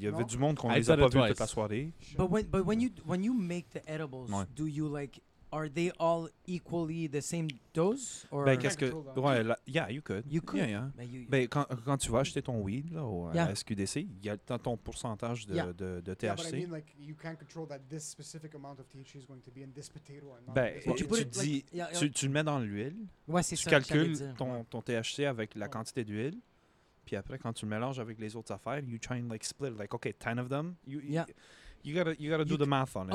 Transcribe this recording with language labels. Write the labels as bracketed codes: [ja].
[fr] Y'avait du monde qu'on les a pas vu. [en] But when you make the edibles, do you like, are they all equally the same dose? Or [fr] ben, qu'est-ce que, [en] you could. Yeah. [fr] Mais quand tu vas acheter ton weed là au SQDC, y a ton pourcentage de THC. [en] Yeah, but I mean like you can't control that this specific amount of THC is going to be in this potato or not. [fr] Ben, tu le mets dans l'huile. Ouais, c'est tu ça, calcules ton THC avec la quantité d'huile. Puis après, quand tu le mélanges avec les autres affaires, [en] you try and like split like okay, 10 of them. You gotta do the math on it.